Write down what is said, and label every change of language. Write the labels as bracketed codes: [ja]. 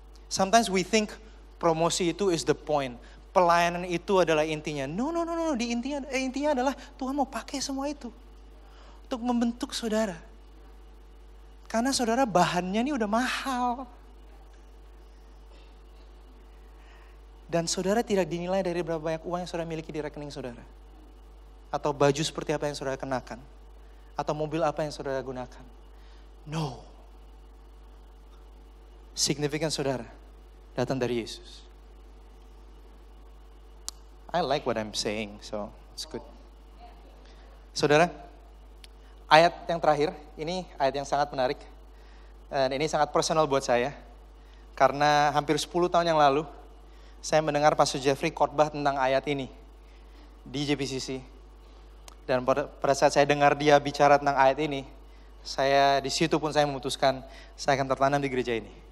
[en] Sometimes we think [id] promosi itu [en] is the point. [id] Pelayanan itu adalah intinya. No. Di intinya adalah Tuhan mau pakai semua itu untuk membentuk saudara. Karena saudara bahannya ini udah mahal. Dan saudara tidak dinilai dari berapa banyak uang yang saudara miliki di rekening saudara. Atau baju seperti apa yang saudara kenakan. Atau mobil apa yang saudara gunakan. No. Signifikan saudara datang dari Yesus. [en] I like what I'm saying, so it's good. [id] Saudara, ayat yang terakhir, ini ayat yang sangat menarik. Dan ini sangat personal buat saya. Karena hampir 10 tahun yang lalu, saya mendengar Pastor Jeffrey khotbah tentang ayat ini di JPCC. Dan pada saat saya dengar dia bicara tentang ayat ini, saya di situ pun saya memutuskan saya akan tertanam di gereja ini.